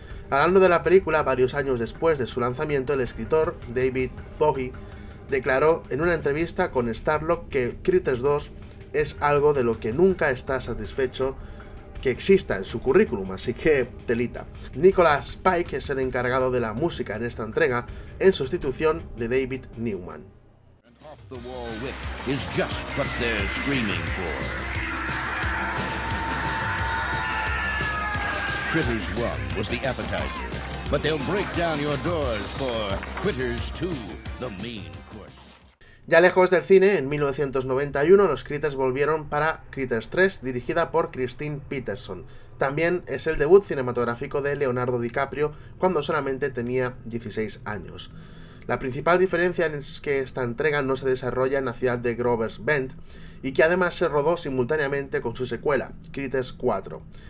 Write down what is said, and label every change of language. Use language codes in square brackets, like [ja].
[es] Hablando de la película, varios años después de su lanzamiento, el escritor David Zoghi declaró en una entrevista con Starlog que Critters 2 es algo de lo que nunca está satisfecho que exista en su currículum, así que telita. Nicholas Pike es el encargado de la música en esta entrega, en sustitución de David Newman. [en] The wall whip is just what they're screaming for. Critters 1 was the appetizer, but they'll break down your doors for Critters 2, the main course. [es] Ya lejos del cine, en 1991 los Critters volvieron para Critters 3, dirigida por Christine Peterson. También es el debut cinematográfico de Leonardo DiCaprio cuando solamente tenía 16 años. La principal diferencia es que esta entrega no se desarrolla en la ciudad de Grover's Bend y que además se rodó simultáneamente con su secuela, Critters 4.